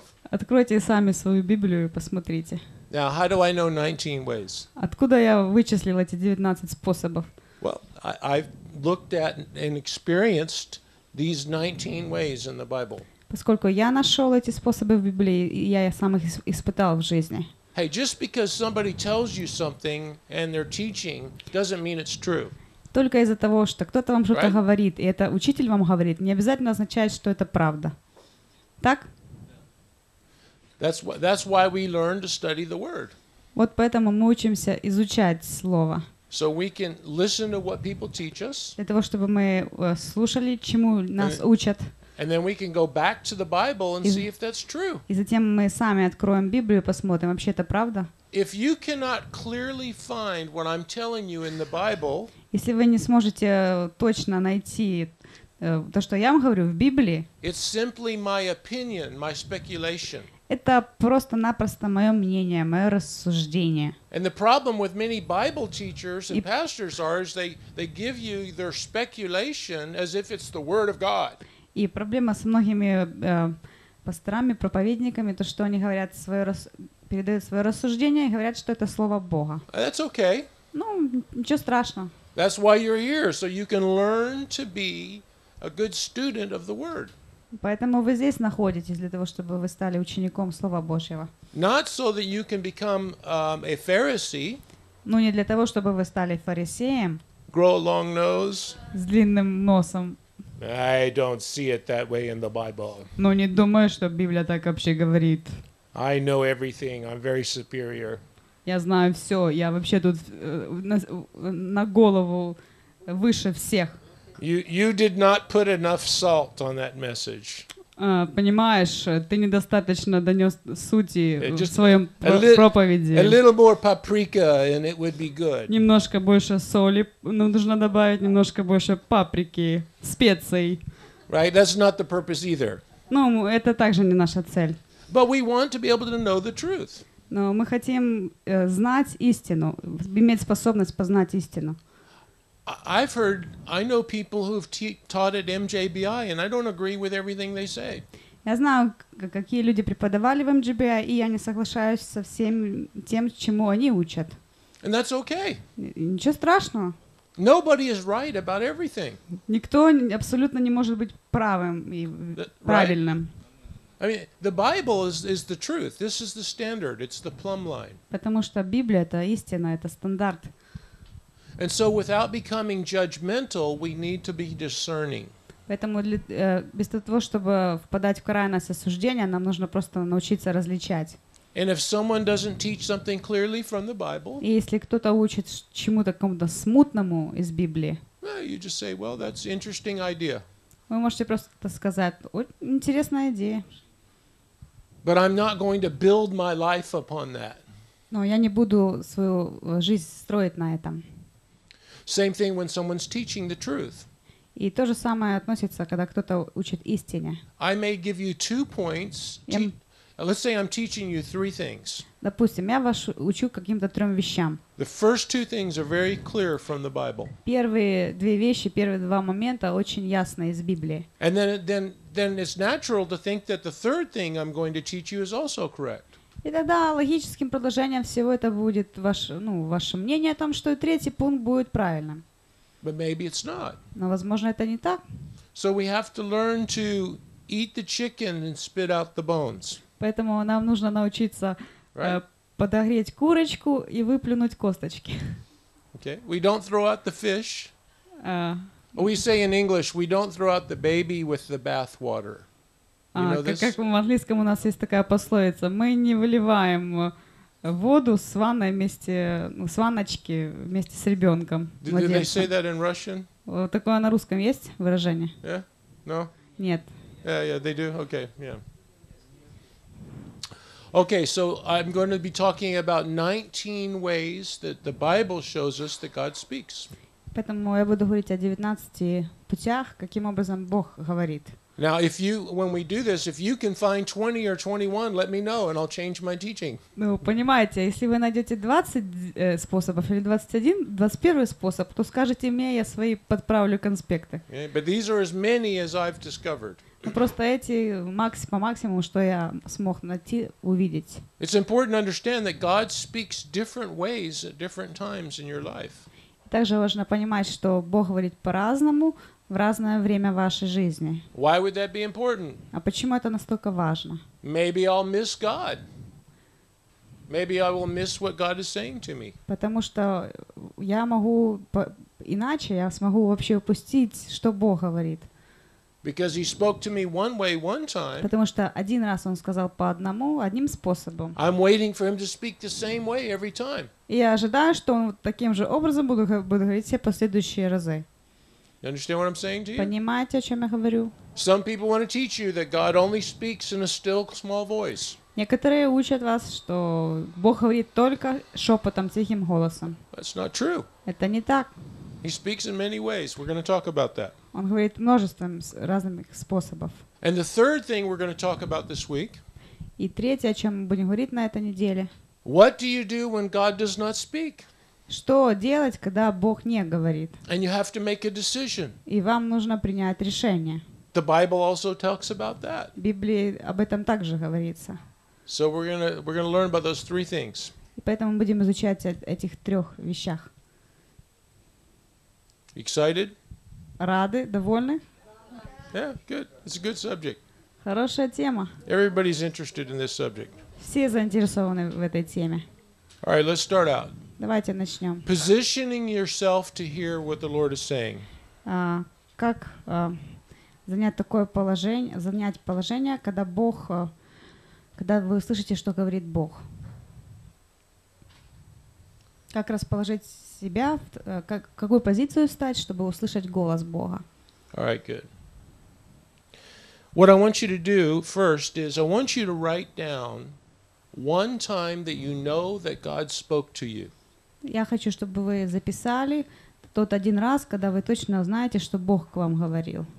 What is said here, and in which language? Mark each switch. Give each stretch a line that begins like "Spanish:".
Russian: Откройте сами свою Библию и посмотрите.
English: Now, how do I know 19 ways?
Russian: Откуда я вычислил эти 19 способов?
English: Well, I've looked at and experienced these 19 ways in the Bible.
Russian: Поскольку я нашел эти способы в Библии, я сам их испытал в жизни.
English: Hey, just because somebody tells you something and they're teaching doesn't mean it's true.
Russian: Только из-за того, что кто-то вам что-то говорит, и это учитель вам говорит, не обязательно означает, что это правда. Так?
English: That's why we learn to study the word.
Russian: Вот поэтому мы учимся изучать Слово.
English: So we can listen to what people teach us.
Russian: Для того, чтобы мы слушали, чему нас учат.
English: And then we can go back to the Bible and see if that's true.
Russian: И затем мы сами откроем Библию, посмотрим, вообще это правда.
English: If you cannot clearly find what I'm telling you in the Bible,
Russian: если вы не сможете точно найти то, что я вам говорю в Библии,
English: it's simply my opinion, my speculation.
Russian: Это просто-напросто мое мнение, мое рассуждение.
English: And the problem with many Bible teachers and pastors are is they give you their speculation as if it's the word of God.
Russian: И проблема с многими пасторами, проповедниками, то, что они говорят свое передают свое рассуждение и говорят, что это слово Бога.
English: That's okay.
Russian: Ну, ничего страшного.
English: That's why you're here, so you can learn to be a good student of the word.
Russian: Поэтому вы здесь находитесь для того, чтобы вы стали учеником Слова Божьего.
English: Not so that you can become a Pharisee.
Russian: Ну не для того, чтобы вы стали фарисеем.
English: Grow a long nose.
Russian: С длинным носом.
English: I don't see it that way in the Bible.
Russian: Ну не думаю, что Библия так вообще говорит.
English: I know everything. I'm very superior.
Russian: Я знаю все. Я вообще тут на голову выше всех.
English: You did not put enough salt on that message.
Russian: Понимаешь, ты недостаточно донес сути в своем проповеди.
English: A little more paprika and it would be good.
Russian: Немножко больше соли, но нужно добавить немножко больше паприки, специй.
English: Right, that's not the purpose either.
Russian: Ну, это также не наша цель.
English: But we want to be able to know the truth.
Russian: Но мы хотим знать истину, иметь способность познать истину.
English: I've heard, I know people who've taught at MJBI, and I don't agree with everything they say.
Russian: Я знаю, какие люди преподавали в MJBI, и я не соглашаюсь со всем тем, чему они учат.
English: And that's okay.
Russian: Ничего страшного.
English: Nobody is right about everything.
Russian: Никто абсолютно не может быть правым и правильным.
English: I mean, the Bible is the truth. This is the standard. It's the plumb line.
Russian: Потому что Библия — это истина, это стандарт.
English: And so without becoming judgmental, we need to be discerning.
Russian: Поэтому без того, чтобы впадать в крайность осуждения, нам нужно просто научиться различать.
English: And if someone doesn't teach something clearly from the Bible,
Russian: и если кто-то учит чему-то какому-то смутному из Библии,
English: well, you just say, well, that's an interesting idea.
Russian: Вы можете просто сказать: «О, интересная идея».
English: But I'm not going to build my life upon that.
Russian: Но я не буду свою жизнь строить на этом.
English: Same thing when someone's teaching the truth.
Russian: И то же самое относится, когда кто-то учит истине.
English: I may give you two points. Let's say I'm teaching you three things.
Russian: Допустим, я вас учу каким-то трем вещам.
English: The first two things are very clear from the Bible.
Russian: Первые две вещи, первые два момента очень ясны из Библии.
English: And then it's natural to think that the third thing I'm going to teach you is also correct.
Russian: И тогда логическим продолжением всего это будет ваше мнение о том, что и третий пункт будет правильным.
English: But maybe it's not.
Russian: Но возможно это не так.
English: So we have to learn to eat the chicken and spit out the bones.
Russian: Поэтому нам нужно научиться подогреть курочку и выплюнуть косточки.
English: Okay. We don't throw out the fish. We say in English, we don't throw out the baby with the bath water.
Russian: Как в английском у нас есть такая пословица: мы не выливаем воду с ванной вместе, с ванночки вместе с ребенком.
English: Do they say that in Russian?
Russian: Такое на русском есть выражение?
English: Yeah. No.
Russian: Нет.
English: Yeah, they do. Okay. Yeah. Okay, so I'm going to be talking about 19 ways that the Bible shows us that God speaks.
Russian: Поэтому я буду говорить о 19 путях, каким образом Бог говорит.
English: Now, if you, when we do this, if you can find 20 or 21, let me know, and I'll change my teaching.
Russian: Ну, понимаете, если вы найдете 20 способов или 21, 21 способ, то скажите мне, я свои подправлю конспекты.
English: Okay, but these are as many as I've discovered.
Russian: Ну, просто эти по максимуму, что я смог найти, увидеть.
English: It's important to understand that God speaks different ways at different times in your life.
Russian: Также важно понимать, что Бог говорит по-разному в разное время вашей жизни.
English: Why would that be important?
Russian: А почему это настолько важно?
English: Maybe I'll miss God. Maybe I will miss what God is saying to me.
Russian: Потому что я могу иначе, я смогу вообще упустить, что Бог говорит.
English: Because he spoke to me one way one time.
Russian: Потому что один раз он сказал по одному, одним способом.
English: I'm waiting for him to speak the same way every time.
Russian: Я ожидаю, что он таким же образом будет говорить все последующие разы.
English: You understand what I'm saying to you?
Russian: Понимаете, о чем я говорю?
English: Some people want to teach you that God only speaks in a still small voice.
Russian: Некоторые учат вас, что Бог говорит только шепотом, тихим голосом.
English: That's not true.
Russian: Это не так.
English: He speaks in many ways. We're going to talk about that.
Russian: Он говорит множеством разных способов.
English: And the third thing we're going to talk about this week.
Russian: И третье, о чем мы будем говорить на этой неделе.
English: What do you do when God does not speak?
Russian: Что делать, когда Бог не говорит?
English: And you have to make a decision.
Russian: И вам нужно принять решение.
English: The Bible also talks about that.
Russian: В Библии об этом также говорится.
English: So we're gonna learn about those three things.
Russian: И поэтому мы будем изучать этих трех вещах.
English: Excited?
Russian: Рады, довольны?
English: Yeah, good. It's a good subject.
Russian: Хорошая тема.
English: Everybody's interested in this subject.
Russian: Все заинтересованы в этой теме.
English: All right, let's start out.
Russian: Давайте начнем.
English: Positioning yourself to hear what the Lord is saying.
Russian: Как занять такое положение, занять положение, когда Бог, когда вы слышите, что говорит Бог. Как расположить себя, какую позицию стать, чтобы услышать голос Бога.
English: All right, good. What I want you to do first is I want you to write down one time that you know that God spoke to you.
Russian: Я хочу, чтобы вы записали тот один раз, когда вы точно знаете, что Бог к вам говорил.